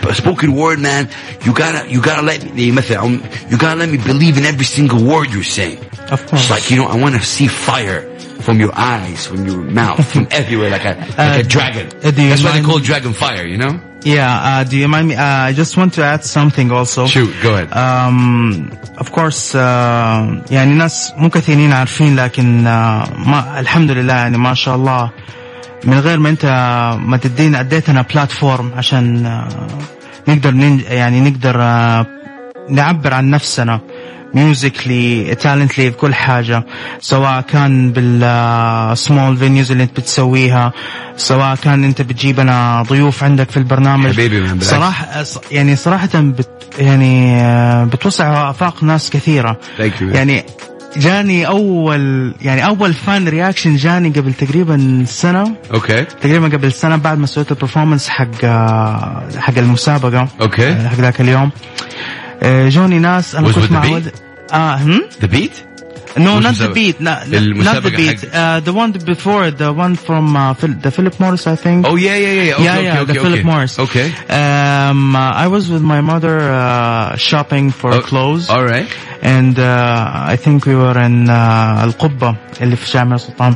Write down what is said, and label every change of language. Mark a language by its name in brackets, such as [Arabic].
[English] Spoken word, man, you gotta let me, believe in every single word you're saying. Of course. It's like, you know, I wanna see fire from your eyes, from your mouth, from everywhere, like a dragon. That's why they call it dragon fire, you know? Yeah, do you mind me? I just want to add something also. Shoot, go ahead. Of course, [Arabic] يعني ناس مو كثيرين عارفين لكن ما الحمد لله يعني ما شاء الله من غير ما انت ما تدينا اديتنا بلاتفورم عشان نقدر يعني نقدر نعبر عن نفسنا ميوزيكلي تالنتلي بكل حاجة سواء كان بالسمول فينيوز اللي انت بتسويها سواء كان انت بتجيبنا ضيوف عندك في البرنامج حبيبي صراحة يعني صراحة يعني بتوسع افاق ناس كثيرة يعني جاني اول يعني اول فان رياكشن جاني قبل تقريبا سنة اوكي تقريبا قبل سنة بعد ما سويت البرفورمانس حق المسابقة اوكي حق ذاك اليوم جوني ناس انا كنت معود [English] the beat no was not the beat no, not the beat the one before the one from the Philip Morris I think oh yeah yeah yeah okay, yeah, okay, yeah okay, the okay. Philip Morris okay I was with my mother shopping for clothes all right and I think we were in Al Qubba [Arabic] اللي في جامع السلطان